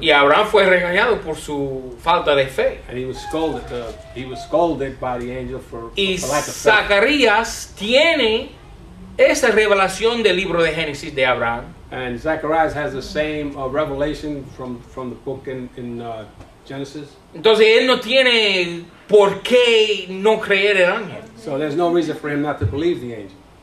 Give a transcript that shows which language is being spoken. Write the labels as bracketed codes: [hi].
[es] Y Abraham fue regañado por su falta de fe. [en] And he was scolded by the angel for lack of faith. [es] Y Zacarías tiene esa revelación del libro de Génesis de Abraham. [en] And Zacharias has the same revelation from the book in Genesis. [es] Entonces él no tiene por qué no creer el ángel. [en] So there's no reason for him not to believe the angel.